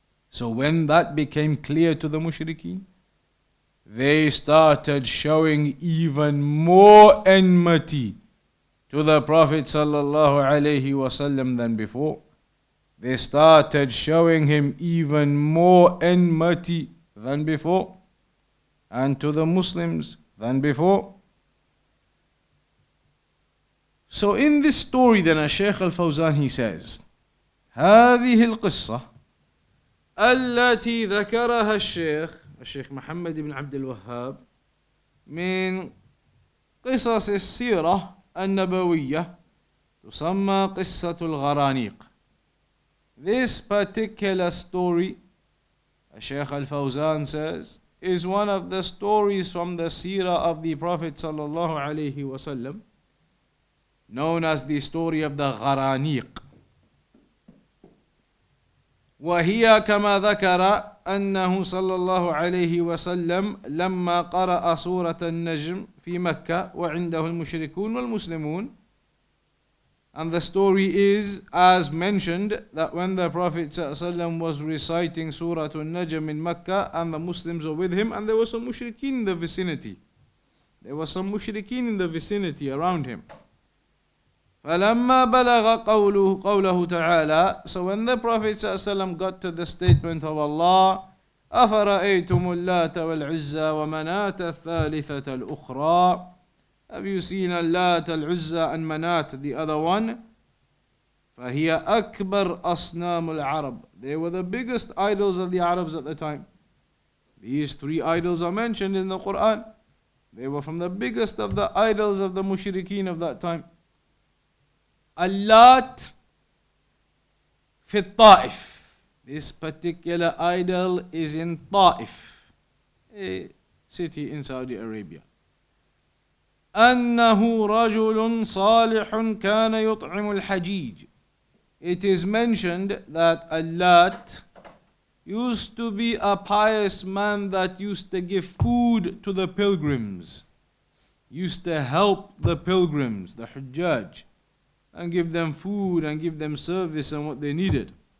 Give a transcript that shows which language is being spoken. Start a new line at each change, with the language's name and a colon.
English: So when that became clear to the mushrikeen, they started showing even more enmity to the Prophet sallallahu alayhi wasallam than before. They started showing him even more enmity than before, and to the Muslims than before. So in this story then, Shaykh Al-Fawzan, he says,
Arabic: هذه القصة التي ذكرها الشيخ الشيخ محمد بن عبد الوهاب من قصص السيرة النبوية تسمى قصة الغرانيق.
English: This particular story, Shaykh Al-Fawzan says, is one of the stories from the seerah of the Prophet sallallahu alayhi wasallam, known as the story of the Gharaniq.
Arabic: وهي كما ذكر أنه صلى الله عليه وسلم لما قرأ سورة النجم في مكة وعنده المشركون والمسلمون.
English: And the story is, as mentioned, that when the Prophet
Arabic: صلى الله عليه وسلم
English: was reciting سورة النجم in Mecca, and the Muslims were with him, and there were some mushrikeen in the vicinity. There were some mushrikeen in the vicinity around him.
Arabic: فلما بلغ قوله قوله تعالى.
English: So when the Prophet
Arabic: صلى الله عليه وسلم
English: got to the statement of Allah,
Arabic: أفرأيتم اللات والعزى ومناة الثالثة الأخرى.
English: Have you seen اللات العزى and مناة, the other one?
Arabic: فهي أكبر أصنام العرب.
English: They were the biggest idols of the Arabs at the time. These three idols are mentioned in the Quran. They were from the biggest of the idols of the mushrikeen of that time.
Arabic: اللات في الطائف.
English: This particular idol is in Taif, a city in Saudi Arabia.
Arabic: أنه رجل صالح كان يطعم الحجيج.
English: It is mentioned that اللات used to be a pious man that used to give food to the pilgrims, used to help the pilgrims, the Hujjaj, and give them food and give them service and what they needed.